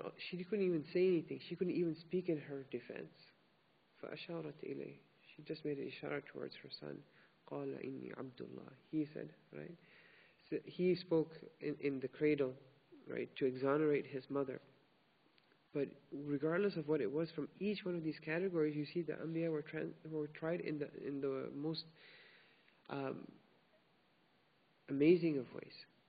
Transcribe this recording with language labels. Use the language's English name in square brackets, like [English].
[English] She couldn't even say anything. She couldn't even speak in her defense. [Arabic] فأشارت إلي, [English] she just made an ishara towards her son. [Arabic] قال إني عبد الله, [English] he said, right? So he spoke in the cradle, right, to exonerate his mother. But regardless of what it was, from each one of these categories, you see the Anbiya were tried in the most amazing of ways.